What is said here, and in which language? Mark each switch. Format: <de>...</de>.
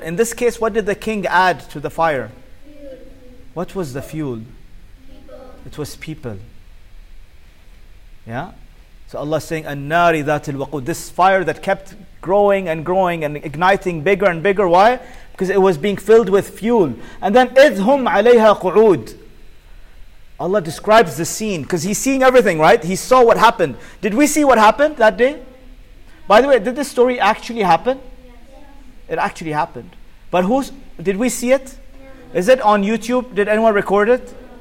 <en>In this case, what did the king add to the fire? Fuel. What was the fuel? People. It was people. Yeah? So Allah is saying,</en> <ar>النَّارِ ذَاتِ الْوَقُودِ.</ar> <en>This fire that kept growing and growing and igniting bigger and bigger. Why? Because it was being filled with fuel. And then,</en> <ar>إِذْ هُمْ عَلَيْهَا قُعُودٍ.</ar> <en>Allah describes the scene because He's seeing everything, right? He saw what happened. Did we see what happened that day? By the way, did this story actually happen? Yes. It actually happened. But did we see it? No. Is it on YouTube? Did anyone record it? No.</en>